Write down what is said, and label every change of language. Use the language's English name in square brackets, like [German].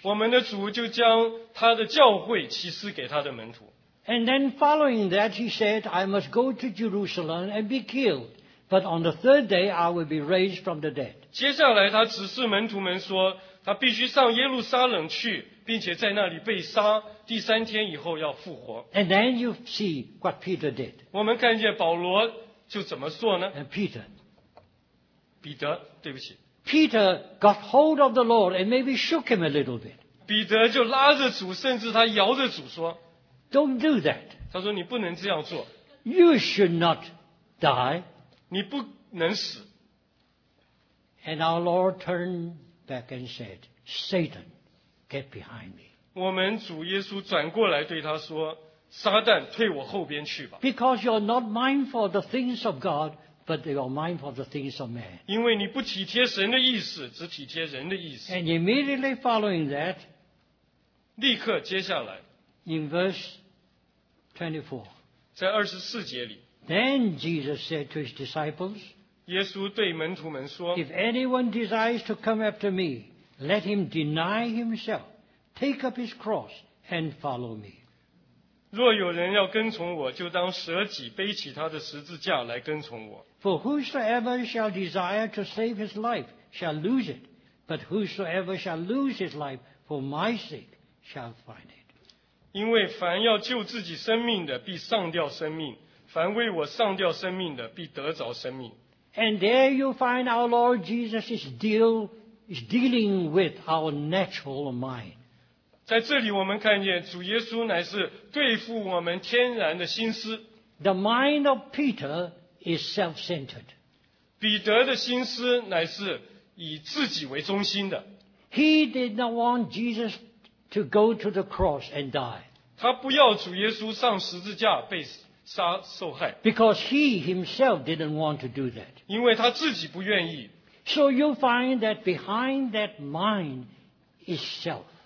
[Chinese] 我们的主就将他的教会启示给他的门徒。 [English] And then following that, he said, I must go to Jerusalem and be killed. But on the third day, I will be raised from the dead. [Chinese] 接下来他指示门徒们说，他必须上耶路撒冷去，并且在那里被杀，第三天以后要复活。 [English] And then you see what Peter did. [Chinese] 我们看见保罗就怎么做呢？ [English] And Peter. [Chinese] 彼得，对不起。 [English] Peter got hold of the Lord and maybe shook him a little bit. [Chinese] 彼得就拉着主，甚至他摇着主说， [English] Don't do that. [Chinese] 他说你不能这样做。 [English] You should not die. [Chinese] 你不能死。 [English] And our Lord turned back and said, Satan, get behind me. [Chinese] 我们主耶稣转过来对他说，撒旦退我后边去吧。 [English] Because you're not mindful of the things of God, but you're mindful of the things of man. [Chinese] 因为你不体贴神的意思，只体贴人的意思。 [English] And immediately following that, [Chinese] 立刻接下来， [English] In verse 24, [Chinese] 在二十四节里， [English] Then Jesus said to his disciples, [Chinese] 耶稣对门徒们说， [English] If anyone desires to come after me, let him deny himself, take up his cross, and follow me. [Chinese] 若有人要跟从我，就当舍己，背起他的十字架来跟从我。 [English] For whosoever shall desire to save his life shall lose it, but whosoever shall lose his life for my sake shall find it. [Chinese] 因为凡要救自己生命的必丧掉生命，凡为我丧掉生命的必得着生命。 [English] And there you find our Lord Jesus is dealing with our natural mind. [Chinese] 在这里我们看见主耶稣乃是对付我们天然的心思。 [English] The mind of Peter is self-centered. [Chinese] 彼得的心思乃是以自己为中心的。 [English] He did not want Jesus to go to the cross and die. [Chinese] 他不要主耶稣上十字架被杀受害。 [English] Because he himself didn't want to do that. [Chinese] 因为他自己不愿意。 [English] So you find that behind that mind is self.